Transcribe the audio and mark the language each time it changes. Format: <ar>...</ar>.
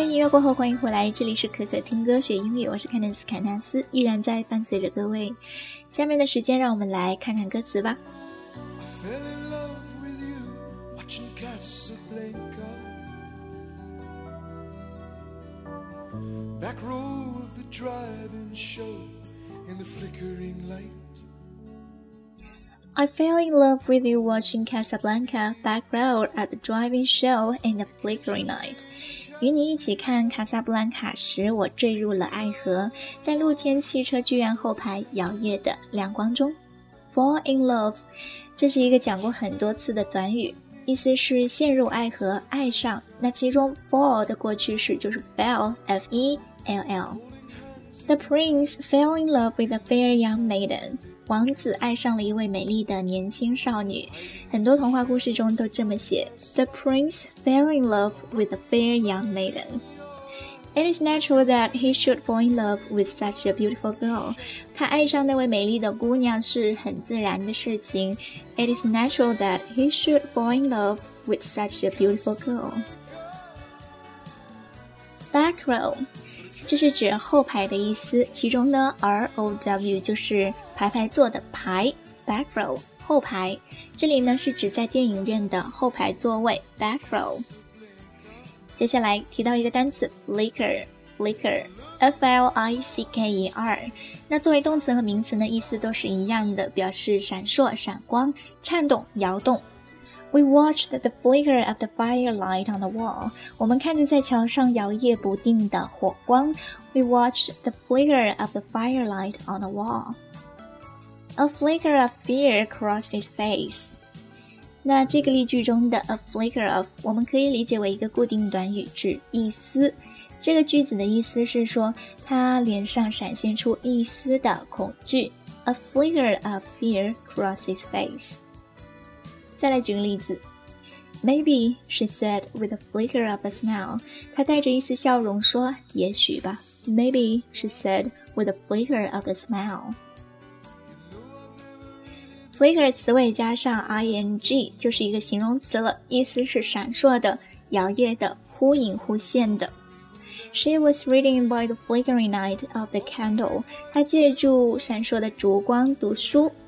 <zh>过后欢迎回来，这里是可可听歌学英语，我是 Candice 凯纳斯，依然在伴随着各位。下面的时间让我们来看看歌词吧。</zh> <en>I fell in love with you watching Casablanca. back row of the drive-in show in the flickering light. I fell in love with you watching Casablanca back row at the drive-in show in the flickering light.</en> <zh>与你一起看卡萨布兰卡时，我坠入了爱河，在露天汽车剧院后排摇曳的亮光中。 Fall in love， 这是一个讲过很多次的短语，意思是陷入爱河，爱上。那其中 fall 的过去式就是 fell， F-E-L-L。 The prince fell in love with a fair young maiden，王子爱上了一位美丽的年轻少女，很多童话故事中都这么写。</zh> <en>The prince fell in love with a fair young maiden. It is natural that he should fall in love with such a beautiful girl.</en> <zh>他爱上那位美丽的姑娘是很自然的事情。</zh> <en>It is natural that he should fall in love with such a beautiful girl.</en> <zh>Back row， 这是指后排的意思，其中呢 ROW 就是排排坐的排， back row后排，这里呢是指在电影院的后排座位 back row。接下来提到一个单词 flicker F-L-I-C-K-E-R， 那作为动词和名词呢意思都是一样的，表示闪烁、闪光、颤动、摇动。</zh> <en>We watched the flicker of the firelight on the wall，我们看着在墙上摇曳不定的火光。 We watched the flicker of the firelight on the wallA flicker of fear crossed his face.</en> <zh>那这个例句中的 a flicker of 我们可以理解为一个固定短语，指一丝。这个句子的意思是说他脸上闪现出一丝的恐惧。</zh> <en>A flicker of fear crossed his face. 再来举个例子， Maybe, she said with a flicker of a smile.</en> <zh>他带着一丝笑容说也许吧。 Maybe, she said with a flicker of a smileFlicker 词尾加上 ing 就是一个形容词了，意思是闪烁的、摇曳的、忽隐忽现的。</zh> <en>She was reading by the flickering light of the candle，她借助闪烁的烛光读书。</en>